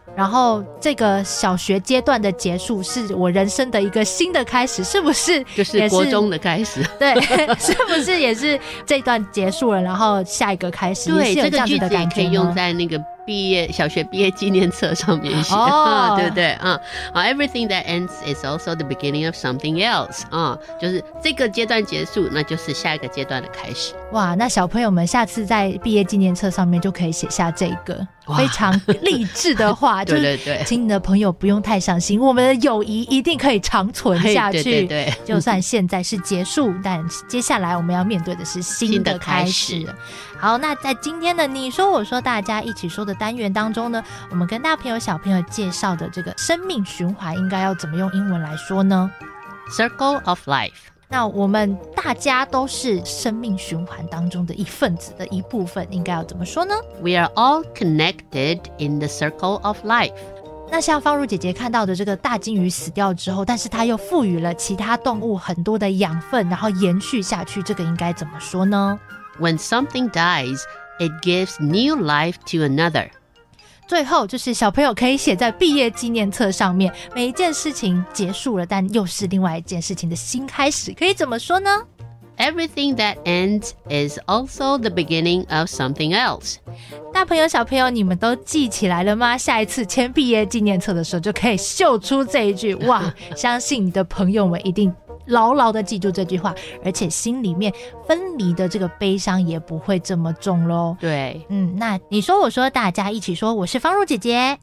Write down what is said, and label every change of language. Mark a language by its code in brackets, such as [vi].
[zh] 然后这个小学阶段的结束是我人生的一个新的开始，是不是也是？就是国中的开始。对，是不是也是这段结束了，然后下一个开始，对，也是有这样子的感觉吗？这个句子也可以用在那个小学毕业纪念册上面写。哦，对不对？ [en] Everything that ends is also the beginning of something else。 [zh] 就是这个阶段结束，那就是下一个阶段的开始。哇，那小朋友们下次在毕业纪念册上面就可以写下这个非常励志的话。对对对，请你的朋友不用太伤心，我们的友谊一定可以长存下去。对对对，就算现在是结束，但接下来我们要面对的是新的开始。好，那在今天的你说我说大家一起说的单元当中呢，我们跟大朋友小朋友介绍的这个生命循环应该要怎么用英文来说呢？ [en] Circle of life。 [zh] 那我们大家都是生命循环当中的一份子的一部分，应该要怎么说呢？ [en] We are all connected in the circle of life。 [zh] 那像方如姐姐看到的这个大鲸鱼死掉之后，但是它又赋予了其他动物很多的养分，然后延续下去，这个应该怎么说呢？ [en] When something dies, it gives new life to another. [zh] 最后就是小朋友可以写在毕业纪念册上面，每一件事情结束了，但又是另外一件事情的新开始，可以怎么说呢？ [en] Everything that ends is also the beginning of something else. [zh] 大朋友小朋友，你们都记起来了吗？下一次签毕业纪念册的时候就可以秀出这一句。哇，相信你的朋友们一定牢牢的记住这句话，而且心里面分离的这个悲伤也不会这么重咯。对，嗯，那你说我说大家一起说，我是方如姐姐。